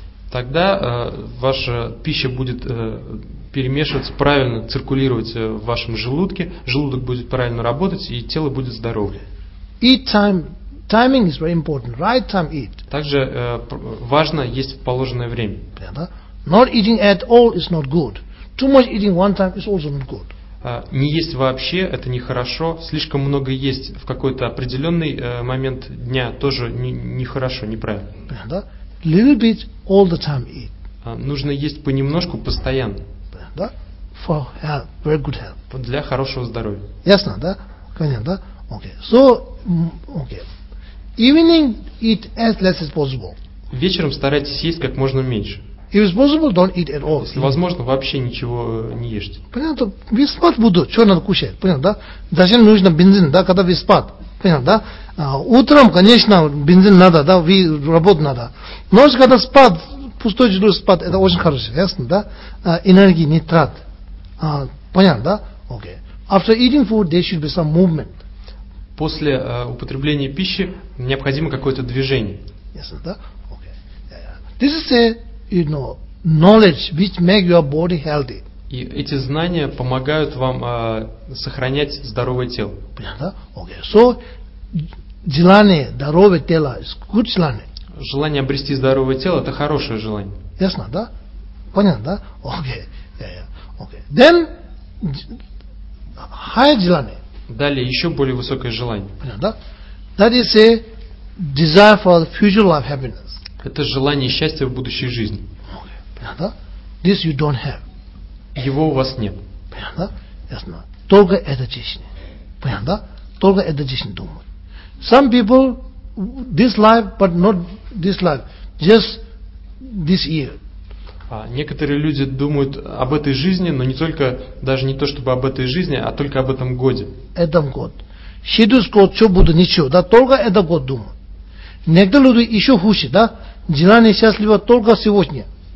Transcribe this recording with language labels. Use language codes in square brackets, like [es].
[ru] Тогда ваша пища будет перемешиваться правильно, циркулировать в вашем желудке, желудок будет правильно работать, и тело будет здоровее. [en] Eat time, timing is very important. Right time eat. [ru] Также важно есть в положенное время. Понятно? [en] Not eating at all is not good. Too much eating one time is also not good. [ru] Не есть вообще, это нехорошо. Слишком много есть в какой-то определенный момент дня тоже нехорошо, неправильно. Понятно? [en] Little bit all the time eat. [ru] Нужно есть понемножку постоянно. Понятно? [en] For health, very good health. [ru] Для хорошего здоровья. Ясно, да? Понятно, да? [en] Okay. So, okay. Evening eat as less as possible. [ru] Вечером старайтесь есть как можно меньше. [en] If it's possible, don't eat at all. [ru] Если возможно, вообще ничего не ешьте. Понятно? Вы спать буду, что надо кушать? Понятно, да? Зачем нужно бензин, да, когда вы спать? Понятно, да? Утром, конечно, бензин надо, да, вы работу надо. Ночь, когда спать, пустой желудок спать, это очень хорошо, ясно, да? Энергии не трат. Понятно, да? Okay. [en] After eating food, there should be some movement. [ru] После употребления пищи необходимо какое-то движение. Ясно, да? Okay. [en] This is a you know, knowledge which make your body healthy. [ru] И эти знания помогают вам сохранять здоровое тело. Понятно? Okay. So, желание, здоровое тело, [en] is good [ru] желание. Желание обрести здоровое тело, это хорошее желание. Ясно, да? Понятно, да? Okay. Yeah, yeah. Okay. [en] Then, higher желание. [ru] Далее, еще более высокое желание. Понятно, да? [en] That is a desire for the future life happiness. [ru] Это желание счастья в будущей жизни. Понятно? [en] This you don't have. [ru] Его у вас нет. Понятно? Ясно. Только это чечни. Понятно? Только это чечни думают. [en] Some people, this life, but not this life. Just this year. [ru] Некоторые люди думают об этой жизни, но не только, даже не то чтобы об этой жизни, а только об этом годе. Этом год. Следующий год все будет ничего, да, только этот год думают. Некоторые люди еще хуже, да, желание счастлива только сегодня.